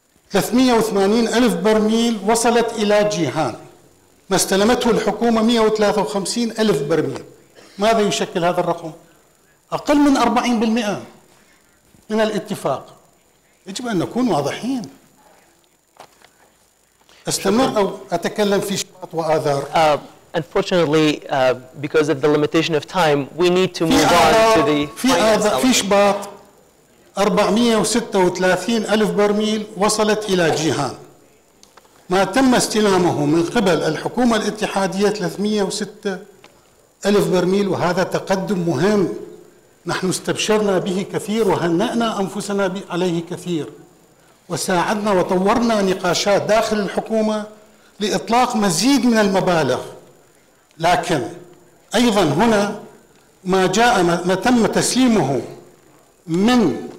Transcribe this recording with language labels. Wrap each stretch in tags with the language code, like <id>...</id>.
<ar>380 ألف برميل وصلت إلى جيهان ما استلمته الحكومة 153 ألف برميل ماذا يشكل هذا الرقم أقل من 40% من الاتفاق يجب أن نكون واضحين استمر أو أتكلم في شبهات وآثار</ar> <en>unfortunately because of the limitation of time we need to move on to the</en> <ar>في شبهات 436 ألف برميل وصلت إلى جيهان ما تم استلامه من قبل الحكومة الاتحادية 306 ألف برميل وهذا تقدم مهم نحن استبشرنا به كثير وهنأنا أنفسنا عليه كثير وساعدنا وطورنا نقاشات داخل الحكومة لإطلاق مزيد من المبالغ لكن أيضا هنا ما جاء ما تم تسليمه من</ar>